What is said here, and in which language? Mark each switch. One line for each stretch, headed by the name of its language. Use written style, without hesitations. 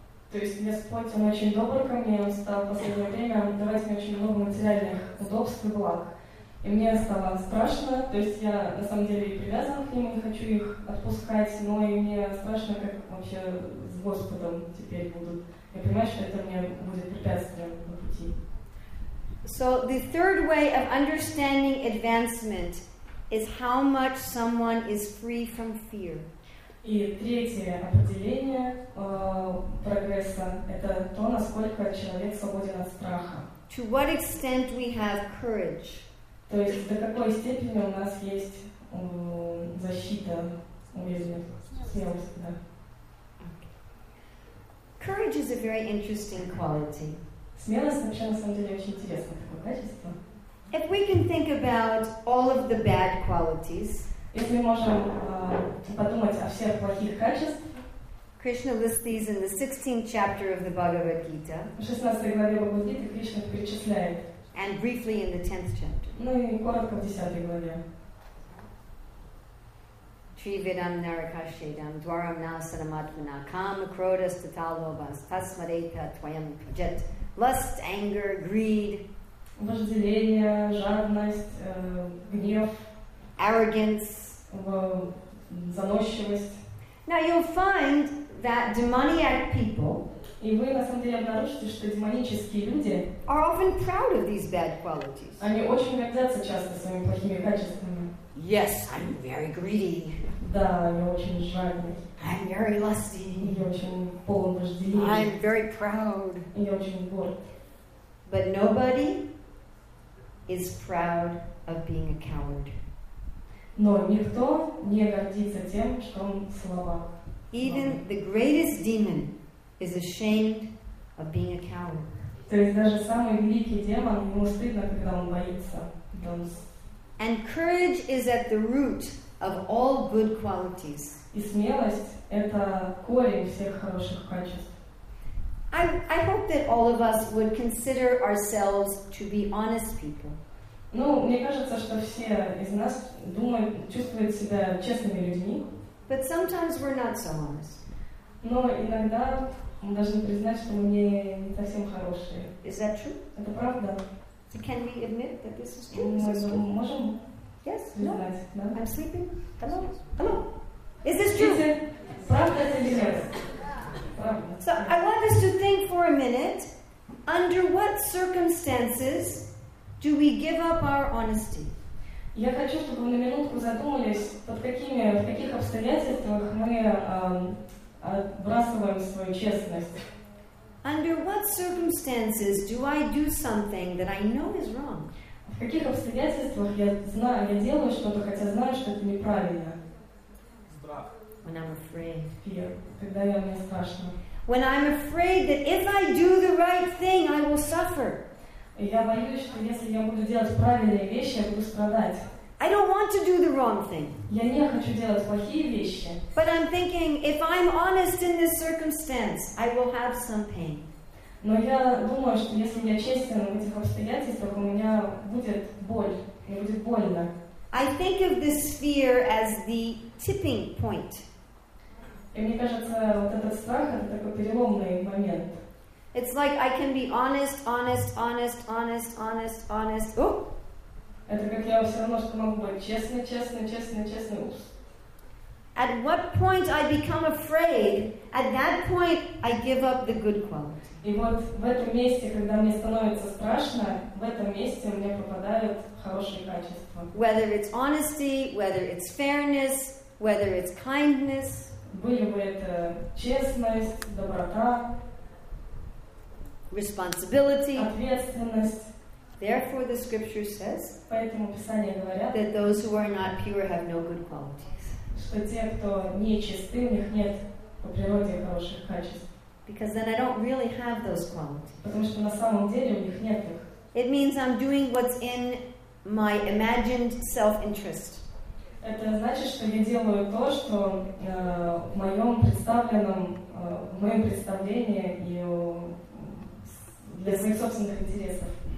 Russian: То есть Господь, Он очень добр ко мне, Он стал в последнее время давать мне очень много материальных удобств и благ. И мне стало страшно, то есть я на самом деле и привязана к Нему, не хочу их отпускать, но и мне страшно, как вообще с Господом теперь будут. Я понимаю, что это мне будет препятствием на пути.
English: So the third way of understanding advancement is how much someone is free from fear.
Russian: И третье определение прогресса – это то, насколько человек свободен от страха.
English: To what extent we have courage.
Russian: То есть до какой степени у нас есть защита, уверенность, смелость. Да.
English: Okay. Courage is a very interesting quality.
Russian: Смелость вообще на самом деле очень интересное такое качество.
English: If we can think about all of the bad qualities.
Russian: Если мы можем подумать о всех плохих качествах,
English: Krishna lists these in the 16th chapter of the Bhagavad Gita.
Russian: В 16 главе Бхагавад Гиты Кришна перечисляет.
English: And briefly in the 10th chapter.
Russian: Ну и коротко в 10 главе.
Sanskrit: Trividam narakashedam dwaram nasanam atmana kama krodha stha lobhas tasmadeta tvayam jet
English: lust anger greed.
Russian: Вожделение, жадность, гнев.
English: Arrogance.
Russian: Заносчивость.
English: Now you'll find that demoniac people.
Russian: И вы на самом деле обнаружите, что демонические люди.
English: Are often proud of these bad qualities.
Russian: Они очень гордятся часто своими плохими качествами.
English: Yes, I'm very greedy.
Russian: Да, я очень жадный.
English: I'm very lusty.
Russian: Я очень полон вожделения.
English: I'm very proud.
Russian: И я очень горд.
English: But nobody is proud of being a coward.
Russian: Но никто не гордится тем, что он слабак.
English: Even the greatest demon is ashamed of being a coward.
Russian: То есть даже самый великий демон ему стыдно, когда он боится.
English: And courage is at the root of all good qualities.
Russian: И смелость это корень всех хороших качеств.
English: I hope that all of us would consider ourselves to be honest people.
Russian: Ну, мне кажется, что все из нас думают, чувствуют себя честными людьми.
English: But sometimes we're not so honest.
Russian: Но иногда мы должны признать, что мы не совсем хорошие.
English: Is that true?
Russian: Это правда?
English: So can we admit that this is true? Is this true?
Russian: Можем?
English: Yes.
Russian: Признать,
English: no.
Russian: Да?
English: I'm sleeping. Hello. Hello. Is this true? Is it?
Russian: Правда это или нет?
English: So I want us to think for a minute. Under what circumstances? Do we give up our honesty?
Russian: Я хочу, чтобы вы на минутку задумались, в каких обстоятельствах мы отбрасываем свою честность.
English: Under what circumstances do I do something that I know is wrong?
Russian: В каких обстоятельствах я делаю что-то, хотя знаю, что это неправильно? Страх.
English: When I'm afraid. Fear.
Russian: Когда мне страшно.
English: When I'm afraid that if I do the right thing, I will suffer.
Russian: Я боюсь, что если я буду делать правильные вещи, я буду страдать.
English: I don't want to do the wrong thing.
Russian: Я не хочу делать плохие вещи.
English: But I'm thinking, if I'm honest in this circumstance, I will have some pain.
Russian: Но я думаю, что если я честен в этих обстоятельствах, у меня будет боль. Мне будет больно.
English: I think of this fear as the tipping point.
Russian: И мне кажется, вот этот страх, это такой переломный момент.
English: It's like I can be honest, honest, honest, honest, honest, honest.
Russian: Это как я все равно, что могу быть честной, честной, честной, честной.
English: At what point I become afraid, at that point I give up the good quality.
Russian: И вот в этом месте, когда мне становится страшно, в этом месте мне пропадают хорошие качества.
English: Whether it's honesty, whether it's fairness, whether it's kindness.
Russian: Были бы это честность, доброта.
English: Responsibility.
Russian: Ответственность.
English: Therefore the scripture says
Russian: Поэтому Писание говорят,
English: that those who are not pure have no good qualities.
Russian: Что те, кто нечисты, у них нет по природе хороших качеств.
English: Because then I don't really have those qualities.
Russian: Потому что на самом деле у них нет их.
English: It means I'm doing what's in my imagined self-interest.
Russian: Это значит, что я делаю то, что в моем представленном, в моем представлении и для своих собственных интересов.